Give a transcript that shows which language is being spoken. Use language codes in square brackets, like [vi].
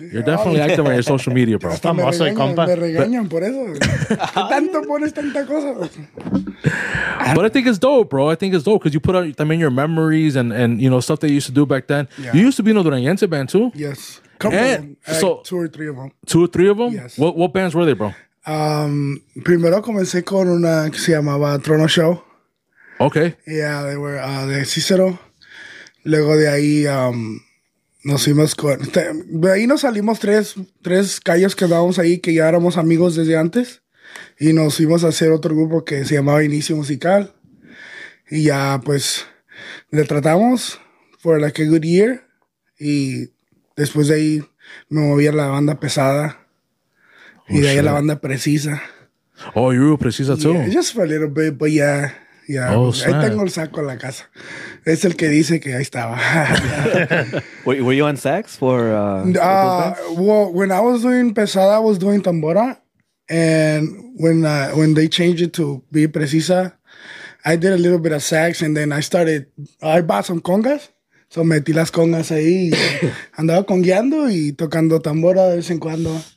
[en] You're definitely active on your social media, bro. [es] Famoso y compa. Me regañan por eso. ¿Qué tanto pones tanta cosa? [en] But I think it's dope, bro. I think it's dope because you put out, I mean, your memories and you know stuff that you used to do back then. Yeah. You used to be in the Durangense band too. Yes, couple of them. Like two or three of them. Two or three of them. Yes. What bands were they, bro? [es] Primero comencé con una que se llamaba Trono Show. [en] Okay. Yeah, they were de Cicero. [es] Luego de ahí nos fuimos con de ahí nos salimos tres callos que dábamos ahí que ya éramos amigos desde antes y nos fuimos a hacer otro grupo que se llamaba Inicio Musical y ya pues le tratamos [en] for like a good year [es] y después de ahí me moví a la banda pesada. Oh, y de ahí la banda Precisa. [en] Oh, you were Precisa too? Yeah, just for a little bit, but yeah. Oh, snap. [es] Ahí tengo el saco en la casa. Es el que dice que ahí estaba. [en] Were you on sax for When I was doing Pesada, I was doing Tambora. And when they changed it to be Precisa, I did a little bit of sax. And then I bought some congas. So [es] metí las congas ahí. Andaba congueando y tocando Tambora de vez en cuando.